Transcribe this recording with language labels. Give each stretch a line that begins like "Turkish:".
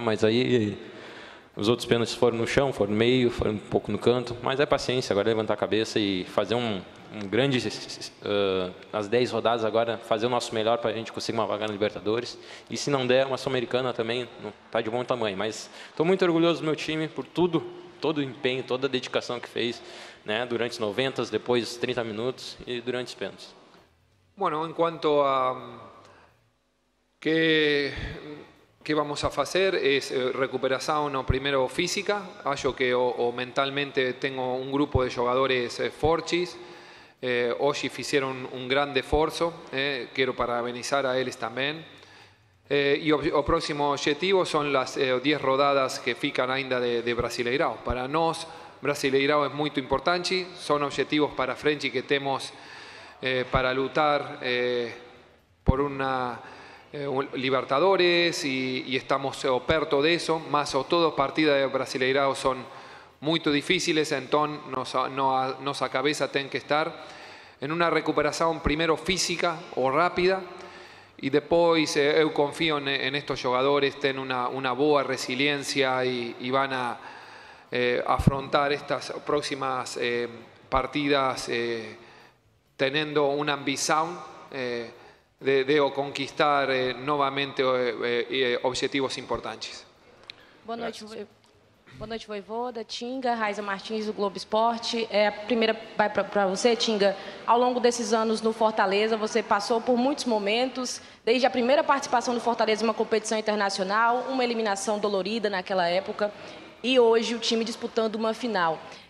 Portuguese: Mas aí os outros pênaltis foram no chão, foram no meio, foram um pouco no canto, mas é paciência, agora é levantar a cabeça e fazer um grande, as 10 rodadas agora, fazer o nosso melhor para a gente conseguir uma vaga na Libertadores, e se não der, uma Sul-Americana também está de bom tamanho, mas estou muito orgulhoso do meu time por tudo, todo o empenho, toda a dedicação que fez, né, durante os 90, depois 30 minutos e durante os pênaltis.
Spanish: Bueno, en cuanto a que vamos a fazer, es recuperación, no, primero física. Acho que o mentalmente tengo un grupo de jugadores fortes. Hoy hicieron un gran esfuerzo. Quiero parabenizar a ellos también. Y el próximo objetivo son las 10 rodadas que fican ainda de Brasileirão. Para nos, Brasileirão es muy importante, son objetivos para frente que tenemos para luchar por una Libertadores y estamos perto de eso, más o todo partida de Brasileirão son muy difíciles, entonces nuestra cabeza tiene que estar en una recuperación primero física o rápida. Y después, yo confío en estos jugadores, tienen una buena resiliencia y van a afrontar estas próximas partidas teniendo una ambición de conquistar nuevamente objetivos importantes.
Portuguese: Boa noite. Boa noite, Voivoda, Tinga, Raiza Martins, do Globo Esporte. A primeira vai para você, Tinga. Ao longo desses anos no Fortaleza, você passou por muitos momentos, desde a primeira participação do Fortaleza em uma competição internacional, uma eliminação dolorida naquela época, e hoje o time disputando uma final.